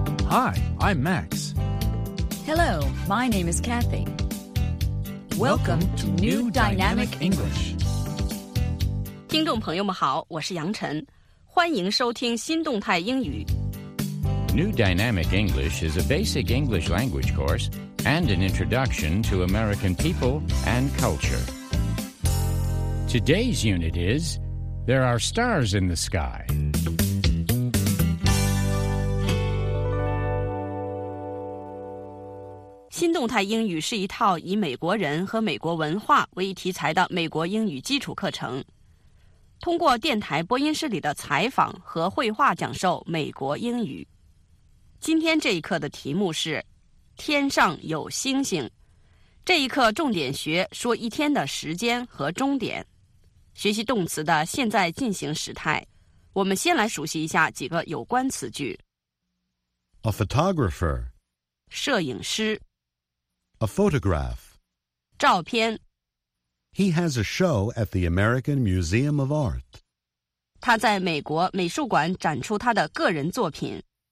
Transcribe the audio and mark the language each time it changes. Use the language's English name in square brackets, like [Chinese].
[English] Hi, I'm Max. Hello, my name is Kathy. Welcome to New Dynamic English. [Chinese] 听众朋友们好，我是杨晨，欢迎收听新动态英语。 [English] New Dynamic English is a basic English language course and an introduction to American people and culture. Today's unit is, There Are Stars in the Sky. [Chinese] 新动态英语是一套以美国人和美国文化为题材的美国英语基础课程。通过电台播音室里的采访和绘画讲授美国英语。今天这一课的题目是天上有星星。这一课重点学说一天的时间和终点。学习动词的现在进行时态。我们先来熟悉一下几个有关词句。 [English] A photographer. [Chinese] 摄影师。 [English] A photograph. [Chinese] 照片。 [English] He has a show at the American Museum of Art. [Chinese] 他在美国美术馆展出他的个人作品。